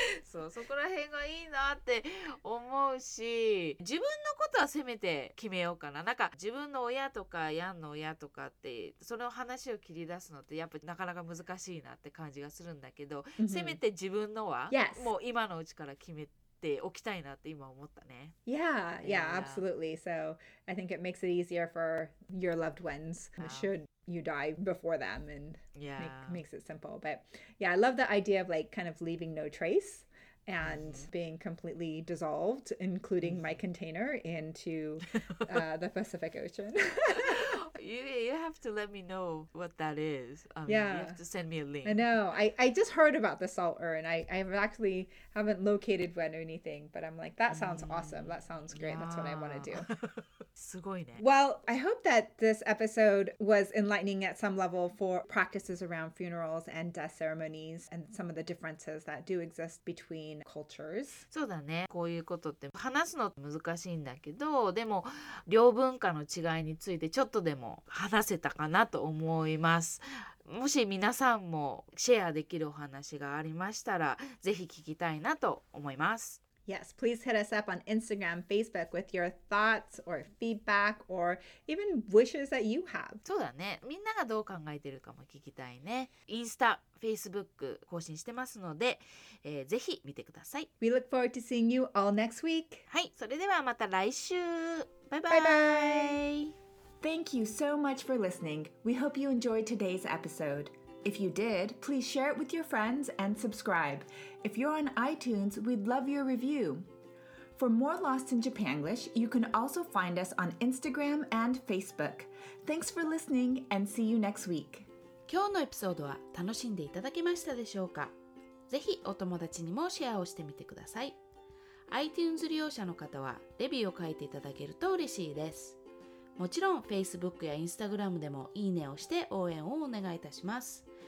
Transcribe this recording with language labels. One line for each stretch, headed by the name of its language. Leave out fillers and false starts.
Japanese: そこら辺がいいなって思うし、自分のことはせめて決めようかな。なんか自分の親とかヤンの親とかってその話を切り出すのってやっぱなかなか難しいなって感じがするんだけど、mm-hmm. せめて自分のは、 yes. もう今のうちから決めておきたいなって今思ったね。
English: Yeah, yeah, absolutely. So I think it makes it easier for your loved ones should you die before them and makes it simple. But yeah, I love the idea of like kind of leaving no traceand being completely dissolved, including my container, into the Pacific Ocean. you have to let me know what that is. You have to send me a link. I know. I just heard about the salt urn. I actually haven't located one or anything, but I'm like, that sounds awesome. That sounds great. Yeah. That's what I want to do.
Japanese: すごいね。
English: Well, I hope that this episode was enlightening at some level for practices around funerals and death ceremonies and some of the differences that do exist between cultures.
Japanese: そうだね。こういうことって話すの難しいんだけど、でも両文化の違いについてちょっとでも話せたかなと思います。もし皆さんもシェアできるお話がありましたら、ぜひ聞きたいなと思います。
English: Yes, please hit us up on Instagram, Facebook with your thoughts or feedback or even wishes that you have.
Japanese: そうだね。みんながどう考えてるかも聞きたいね。インスタ、フェイスブック更新してますので、ぜひ見てください。
English: We look forward to seeing you all next week.
Japanese: はい、それではまた来週。バイバイ。バイバイ。
English: Thank you so much for listening. We hope you enjoyed today's episode. If you did, please share it with your friends and subscribe. If you're on iTunes, we'd love your review. For more Lost in Japanglish, you can also find us on Instagram and Facebook. Thanks for listening and see you next week.
Japanese: 今日のエピソードは楽しんでいただけましたでしょうか。ぜひお友達にもシェアをしてみてください。 iTunes 利用者の方はレビューを書いていただけると嬉しいです。もちろん Facebook や Instagram でもいいねをして応援をお願いいたします。